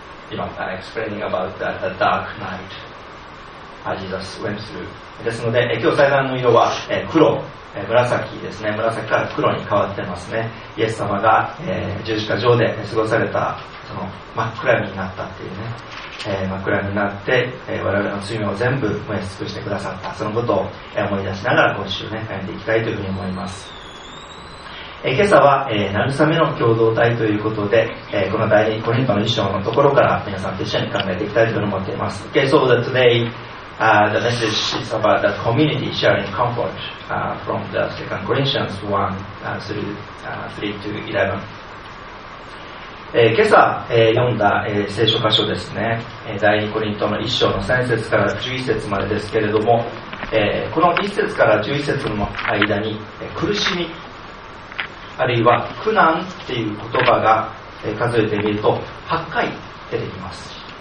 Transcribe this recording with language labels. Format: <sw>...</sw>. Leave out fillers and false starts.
<en>Explaining about the dark night as Jesus went through.</en> <ja>ですので、今日祭壇の色は紫ですね。紫から黒に変わってますね。イエス様が、十字架上で過ごされたその真っ暗になったっていうね。枕になって、我々の罪を全部燃え尽くしてくださった、そのことを思い出しながら今週ね歩んでいきたいというふうに思います。今朝は、慰めの共同体ということで、この第2コリントの一章のところから皆さんと一緒に考えていきたいというふうに思っています。</ja> <en>Okay, so that today, the message is about the community sharing comfort, from the 2 Corinthians 1, 3-11.</en> <ja>今朝、読んだ、聖書箇所ですね、第2コリントの1章の3節から11節までですけれども、この1節から11節の間に、苦しみあるいは苦難っていう言葉が、数えてみると8回出てきます。</ja>